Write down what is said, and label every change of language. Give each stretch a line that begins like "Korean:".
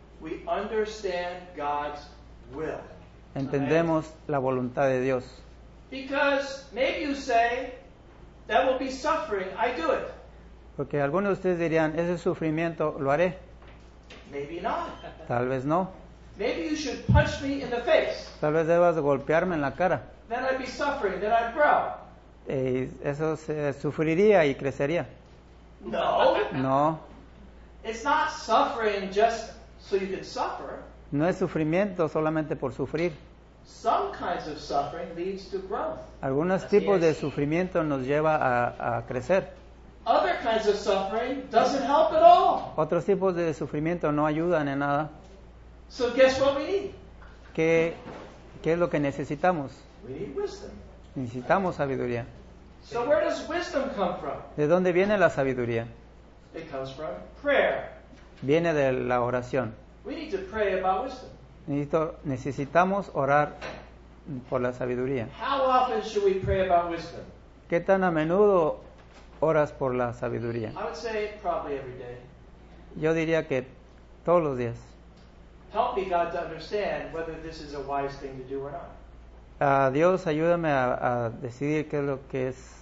English: we understand God's will.
Spanish: Entendemos la voluntad de Dios.
English: Because maybe you say, that will be suffering, I do it.
Spanish: Porque algunos de ustedes dirían, ese sufrimiento lo haré.
English: Maybe not.
Spanish: Tal vez no.
English: Maybe you should punch me in the face.
Spanish: Tal vez debas golpearme en la cara.
English: Then I'd be suffering, then I'd grow.
Spanish: Eso se sufriría y crecería.
English: No.
Spanish: No.
English: It's not suffering just so you can suffer.
Spanish: No es sufrimiento solamente por sufrir.
English: Some kinds of suffering leads to growth.
Spanish: Algunos tipos de sufrimiento nos lleva a crecer.
English: Other kinds of suffering doesn't help at all.
Spanish: Otros tipos de sufrimiento no ayudan en nada.
English: So guess what we need?
Spanish: ¿Qué es lo que necesitamos?
English: We need wisdom.
Spanish: Necesitamos sabiduría.
English: So where does wisdom come from?
Spanish: ¿De dónde viene la sabiduría?
English: It comes from prayer.
Spanish: Viene de la oración.
English: We need to pray about wisdom.
Spanish: Necesitamos orar por la sabiduría.
English: How often should we pray about wisdom?
Spanish: ¿Qué tan a menudo oras por la sabiduría?
English: I would say probably every day.
Spanish: Yo diría que todos los días.
English: Help me, God, to understand whether this is a wise thing to do or not.
Spanish: Dios, ayúdame a decidir qué es lo que es,